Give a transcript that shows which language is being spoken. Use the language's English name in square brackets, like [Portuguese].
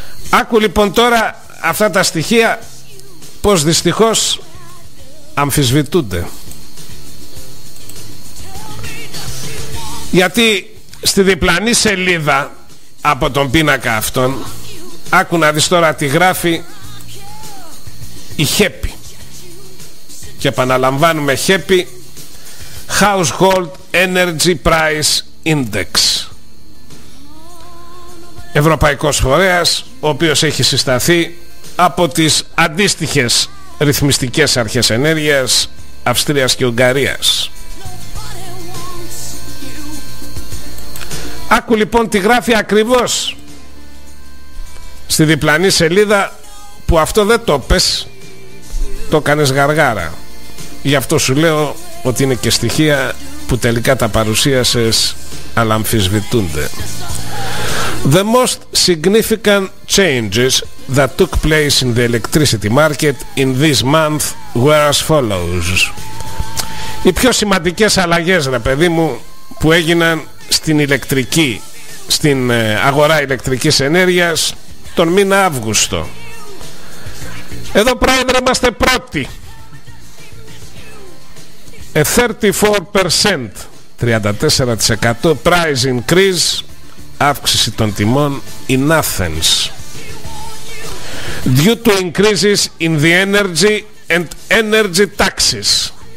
[Greek] Άκου λοιπόν τώρα αυτά τα στοιχεία πως δυστυχώς αμφισβητούνται. Γιατί στη διπλανή σελίδα από τον πίνακα αυτόν, άκου να δεις τώρα τι γράφει η Χέπη. Και επαναλαμβάνουμε, Χέπη, Household Energy Price Index. Ευρωπαϊκός φορέας, ο οποίος έχει συσταθεί από τις αντίστοιχες ρυθμιστικές αρχές ενέργειας Αυστρίας και Ουγγαρίας. Άκου λοιπόν τι γράφει ακριβώς στη διπλανή σελίδα, που αυτό δεν το πες, το κάνεις γαργάρα. Γι' αυτό σου λέω ότι είναι και στοιχεία που τελικά τα παρουσίασες αλλά αμφισβητούνται. [English] The most significant changes that took place in the electricity market in this month were as follows. [Greek] Οι πιο σημαντικές αλλαγές, ρε παιδί μου, που έγιναν στην ηλεκτρική, στην αγορά ηλεκτρικής ενέργειας τον μήνα Αύγουστο. Εδώ, πρόεδρε, είμαστε πρώτοι. [English] A 34%, 34% price increase, [Greek] αύξηση των τιμών [English] in Athens, due to increases in the energy and energy taxes.